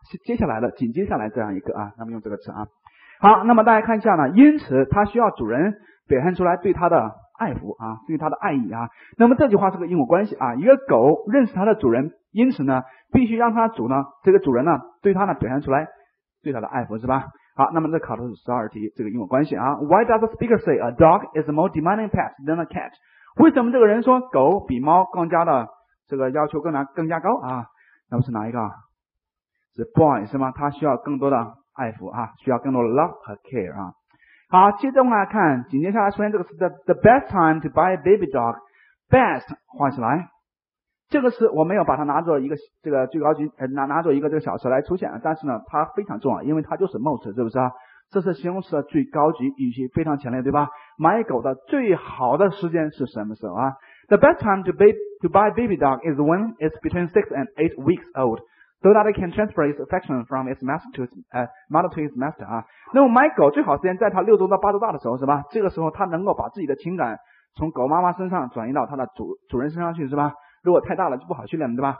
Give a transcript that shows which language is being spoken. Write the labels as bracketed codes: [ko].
[zh] 接下来的，紧接下来这样一个啊，那么用这个词啊。好，那么大家看一下呢，因此它需要主人表现出来对它的爱抚啊，对它的爱意啊。那么这句话是个因果关系啊，一个狗认识它的主人。因此呢，必须让他主呢，这个主人呢，对他呢表现出来对他的爱抚，是吧？好，那么这考的是十二题这个因果关系啊。 [en] Why does the speaker say a dog is a more demanding pet than a cat？ [zh] 为什么这个人说狗比猫更加的这个要求更加高啊？那么是哪一个？是 boy 是吗？他需要更多的爱抚啊，需要更多的 love 和 care 啊。好，接着我们来看，紧接下来出现这个词 [en] the best time to buy a baby dog， [zh] best 画起来。这个词我没有把它拿作一个这个最高级拿作一个这个小词来出现，但是呢它非常重要，因为它就是 most， 是不是啊？这是形容词的最高级语气，非常强烈，对吧？买狗的最好的时间是什么时候啊？ [en] The best time to buy baby dog is when it's between 6 and 8 weeks old, so that it can transfer its affection from its master to its mother to its master 啊。 [zh] 那么买狗最好时间在它六周到八周大的时候，是吧？这个时候它能够把自己的情感从狗妈妈身上转移到它的主人身上去，是吧？如果太大了就不好训练了，对吧？